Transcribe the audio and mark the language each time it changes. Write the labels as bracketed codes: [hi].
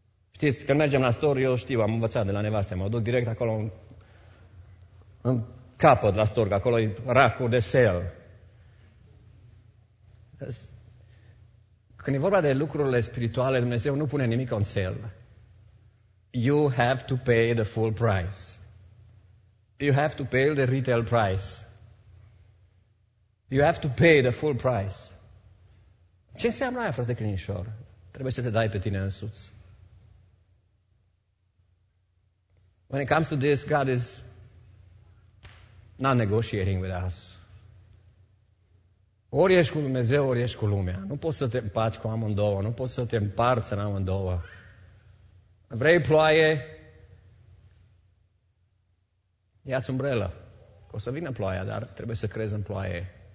[ro] Știți, când mergem la store, eu știu, am învățat de la nevastă, mă duc direct acolo în capăt la store, acolo e racul de sale. Când e vorba de lucrurile spirituale, Dumnezeu nu pune nimic [en] on sale. You have to pay the full price. You have to pay the retail price. You have to pay the full price. [ro] Ce înseamnă aia, frate Crinișor? Trebuie să te dai pe tine însuți. [en] When it comes to this, God is not negotiating with us. [ro] Ori ești cu Dumnezeu, ori ești cu lumea. Nu poți să te împaci cu amândouă, nu poți să te împarți în amândouă. Vrei ploaie? ia-ți umbrelă. O să vină ploaia, dar trebuie să crezi în ploaie.